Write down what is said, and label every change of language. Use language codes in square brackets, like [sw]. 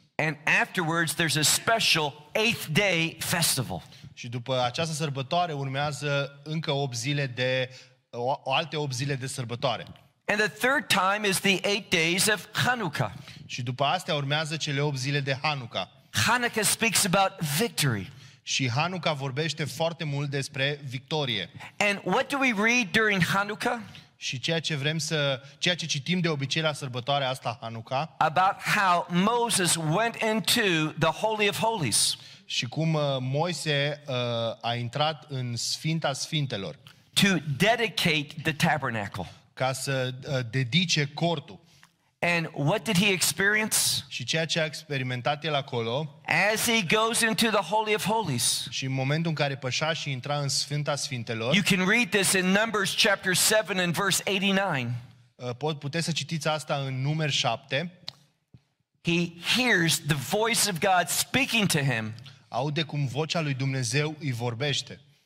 [en] And afterwards there's a special 8th day festival. [ro] Și după această sărbătoare urmează încă 8 zile de alte 8 zile de sărbătoare. [en] And the third time is the 8 days of Hanukkah. [ro] Și după astea urmează cele 8 zile de Hanukkah. [en] Hanukkah speaks about victory. [ro] Și Hanukkah vorbește foarte mult despre victorie. [en] And what do we read during Hanukkah? [ro] Și ceea ce citim de obicei la sărbătoarea asta Hanukkah? [en] About how Moses went into the Holy of Holies. [ro] Și cum Moise a intrat în Sfânta Sfintelor. [en] To dedicate the tabernacle. [ro] Ca să dedice cortul. [en] And what did he experience? [ro] Și ceea ce a experimentat el acolo? [en] As he goes into the Holy of Holies. [ro] Și în momentul în care pășea și intra în Sfânta Sfintelor. [en] You can read this in Numbers chapter 7 and verse 89. [ro] Puteți să citiți asta în Numeri 7. [en] He hears the voice of God speaking to him. [ro] Aude cum vocea lui Dumnezeu îi vorbește.